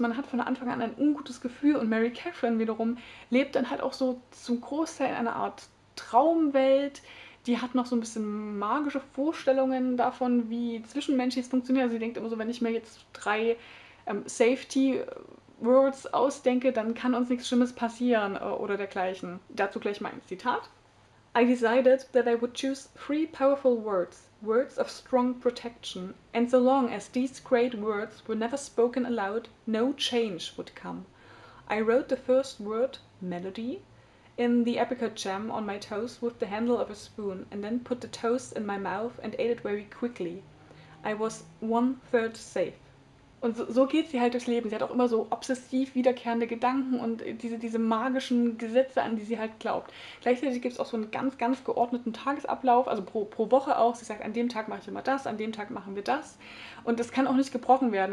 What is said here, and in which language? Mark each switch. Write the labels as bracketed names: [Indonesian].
[German] Man hat von Anfang an ein ungutes Gefühl und Mary Catherine wiederum lebt dann halt auch so zum Großteil in einer Art Traumwelt. Die hat noch so ein bisschen magische Vorstellungen davon, wie zwischenmenschlich es funktioniert. Also sie denkt immer so, wenn ich mir jetzt drei Safety Words ausdenke, dann kann uns nichts Schlimmes passieren oder dergleichen. Dazu gleich mal ein Zitat. [English] I decided that I would choose three powerful words, words of strong protection, and so long as these great words were never spoken aloud, no change would come. I wrote the first word, melody, in the apricot jam on my toast with the handle of a spoon, and then put the toast in my mouth and ate it very quickly. I was one third safe. [German] Und so geht sie halt durchs Leben. Sie hat auch immer so obsessiv wiederkehrende Gedanken und diese magischen Gesetze, an die sie halt glaubt. Gleichzeitig gibt es auch so einen ganz, ganz geordneten Tagesablauf, also pro Woche auch. Sie sagt, an dem Tag mache ich immer das, an dem Tag machen wir das. Und das kann auch nicht gebrochen werden.